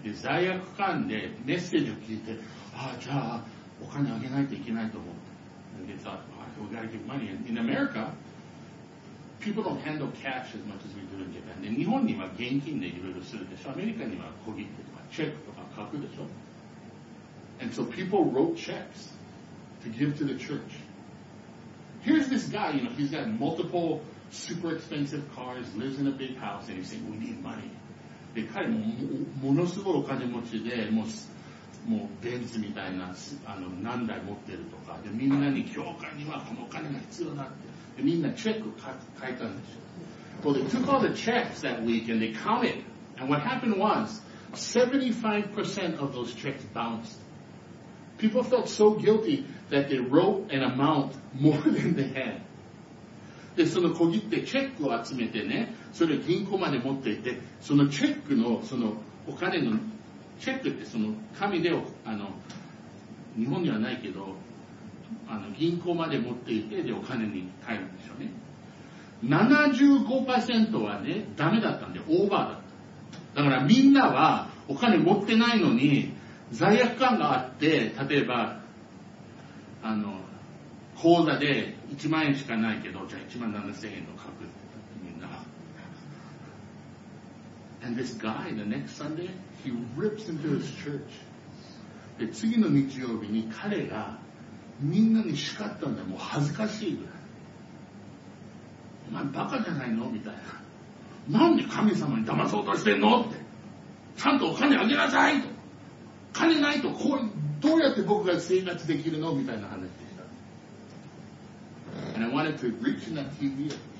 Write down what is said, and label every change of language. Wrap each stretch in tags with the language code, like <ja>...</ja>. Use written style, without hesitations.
<ja>で、罪悪感でメッセージを聞いて、ああ、じゃあ、お金あげないといけないと思った。で、さ、ああ、</ja> <en>we gotta give money. And in America, people don't handle cash as much as we do in Japan.</en> <ja>で、日本には現金でいろいろするでしょ。アメリカには小切手とか、チェックとか書くでしょ。</ja> <en>And so people wrote checks to give to the church. Here's this guy, you know, he's got multiple... super expensive cars, lives in a big house, and he's saying, we need money.</en> <ja>で、彼もものすごいお金持ちで、もうベンツみたいな、あの、何台持ってるとか、で、みんなに、教会にはこのお金が必要だって、で、みんなチェックを書いたんですよ。</ja> <en>Well, they took all the checks that week, and they counted. And what happened was, 75% of those checks bounced. People felt so guilty that they wrote an amount more than they had.</en> <ja>で、その小切手、チェックを集めてね、それを銀行まで持っていて、そのチェックの、そのお金の、チェックってその紙で、あの、日本にはないけど、あの、銀行まで持っていて、で、お金に帰るんでしょうね。 75% はね、ダメだったんで、オーバーだった。だからみんなはお金持ってないのに、罪悪感があって、例えば、あの、口座で1万円しかないけど、じゃあ1万7千円の格好みんな。</ja> <en>And this guy, the next Sunday, he rips into his church.</en> <ja>で、次の日曜日に彼がみんなに叱ったんだ。もう恥ずかしいぐらい。お前バカじゃないのみたいな。なんで神様に騙そうとしてんのって。ちゃんとお金あげなさいと。金ないとこう、どうやって僕が生活できるのみたいな話。</ja> <en>And I wanted to reach in that TV.</en>